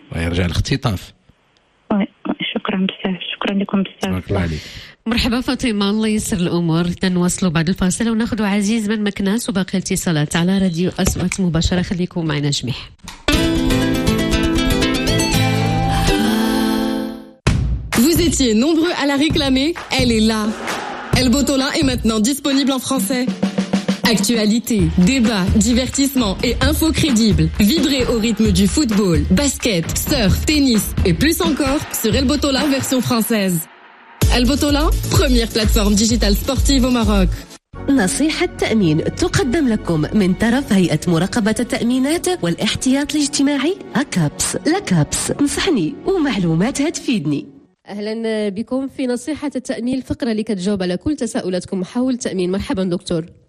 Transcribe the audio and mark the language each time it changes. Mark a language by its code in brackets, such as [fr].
[ar] ويرجع الاختطاف شكرا بزاف شكرا لكم بزاف مرحبا فاطمه الله يسر الامور تنواصلوا بعد الفاصله وناخذوا عزيز من مكناس وباقي الاتصالات على راديو اصوات مباشره خليكم معنا جميعا [fr] Vous étiez nombreux à la réclamer, elle est là. El Botola est maintenant disponible en français. Actualité, débat, divertissement et infos crédibles. Vibrez au rythme du football, basket, surf, tennis et plus encore sur El Botola version française. El Botola, première plateforme digitale sportive au Maroc. [ar] نصيحة التأمين تقدم لكم من طرف هيئة مراقبة التأمينات والاحتياط الاجتماعي أكابس. لكابس نصحني ومعلوماتها تفيدني. اهلا بكم في نصيحه التامين الفقره اللي كتجاوب على كل تساؤلاتكم حول التامين مرحبا دكتور